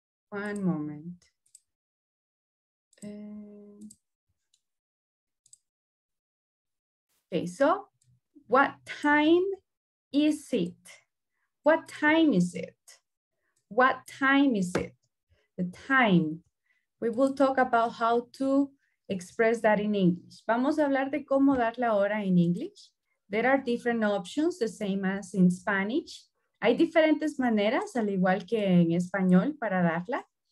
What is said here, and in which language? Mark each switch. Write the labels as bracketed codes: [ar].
[en] One moment. Okay, so what time is it? What time is it? What time is it? The time. We will talk about how to express that in English. [es] Vamos a hablar de cómo dar la hora en English. [en] There are different options, the same as in Spanish. [es] Hay diferentes maneras, al igual que en español, para darla.